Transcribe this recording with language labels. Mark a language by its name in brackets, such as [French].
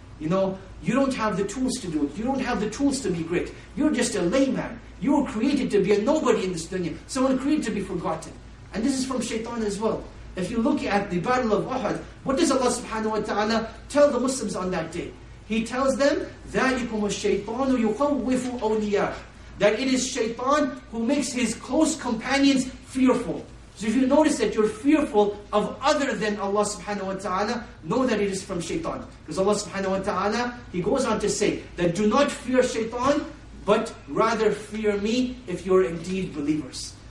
[English] You know, you don't have the tools to do it. You don't have the tools to be great. You're just a layman. You were created to be a nobody in this dunya. Someone created to be forgotten. And this is from shaitan as well. If you look at the battle of Uhud, what does Allah subhanahu wa ta'ala tell the Muslims on that day? He tells them, [Arabic] ذَلِكُمْ الشَّيْطَانُ يُخَوِّفُ أَوْلِيَاهُ. [English] That it is shaitan who makes his close companions fearful. So if you notice that you're fearful of other than Allah subhanahu wa ta'ala, know that it is from shaitan. Because Allah subhanahu wa ta'ala, he goes on to say that do not fear shaitan, but rather fear me if you're indeed believers.